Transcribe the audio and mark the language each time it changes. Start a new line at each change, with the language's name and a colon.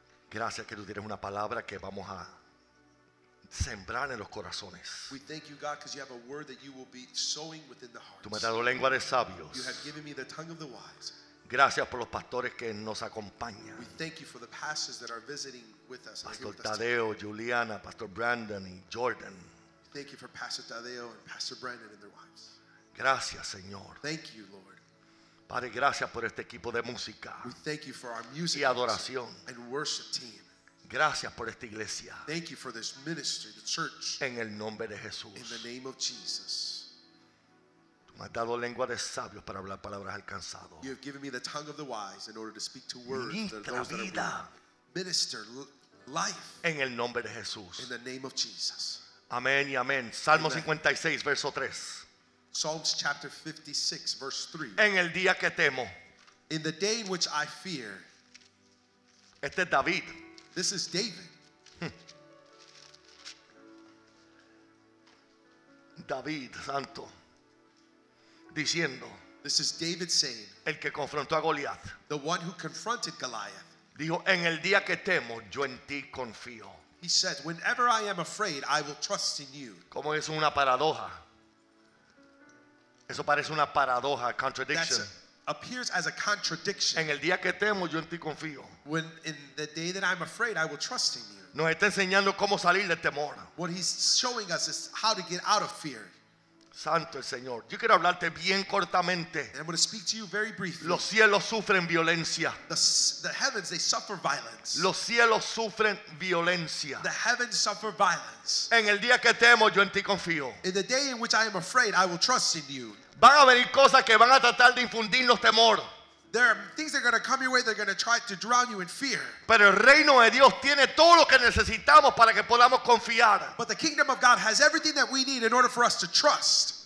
Spanish: Gracias que tú tienes una palabra que vamos a sembrar en los corazones.
English: We thank you, God, because you have a word that you will be sowing within the hearts.
Spanish: Tú me has dado lengua de sabios.
English: You have given me the tongue of the wise.
Spanish: Gracias por los pastores que nos acompañan.
English: We thank you for the pastors that are visiting with us.
Spanish: Pastor Tadeo, Juliana, Pastor Brandon y Jordan.
English: Thank you for Pastor Tadeo and Pastor Brandon and their wives.
Spanish: Gracias, Señor.
English: Thank you, Lord.
Spanish: Padre, gracias por este equipo de música.
English: We thank you for our music
Spanish: y adoración.
English: And worship team.
Spanish: Gracias por esta iglesia.
English: Thank you for this ministry, the church.
Spanish: En el nombre de Jesús.
English: In the name of Jesus.
Spanish: Tú me has dado lengua de sabios para hablar palabras alcanzadas.
English: You have given me the tongue of the wise in order to speak to words that those that are weak.
Spanish: Vida.
English: Minister life.
Spanish: En el nombre de Jesús.
English: In the name of Jesus.
Spanish: Amén y amén. Salmo 56, verso 3.
English: Psalms chapter 56, verse 3.
Spanish: En el día que temo.
English: In the day in which I fear.
Spanish: Este es David.
English: This is David.
Spanish: David, santo. Diciendo.
English: This is David saying.
Spanish: El que confrontó a Goliath.
English: The one who confronted Goliath.
Spanish: Dijo, en el día que temo, yo en ti confío.
English: He said, whenever I am afraid, I will trust in you.
Spanish: Como es una paradoja. Eso parece una paradoja, contradiction.
English: Appears as a contradiction.
Spanish: En el día que temo, yo en ti confío.
English: When in the day that I'm afraid, I will trust in you.
Spanish: Nos está enseñando cómo salir del temor.
English: What he's showing us is how to get out of fear.
Spanish: Santo el Señor. Yo quiero hablarte bien cortamente.
English: And I'm going to speak to you very briefly.
Spanish: Los cielos sufren violencia.
English: The heavens, they suffer violence.
Spanish: Los cielos sufren violencia.
English: The heavens suffer violence.
Spanish: En el día que temo, yo en ti confío.
English: In the day in which I am afraid, I will trust in you.
Spanish: Van a venir cosas que van a tratar de infundirnos temor.
English: There are things that are going to come your way. They're going to try to drown you in fear.
Spanish: Pero el reino de Dios tiene todo lo que necesitamos para que podamos confiar.
English: But the kingdom of God has everything that we need in order for us to trust.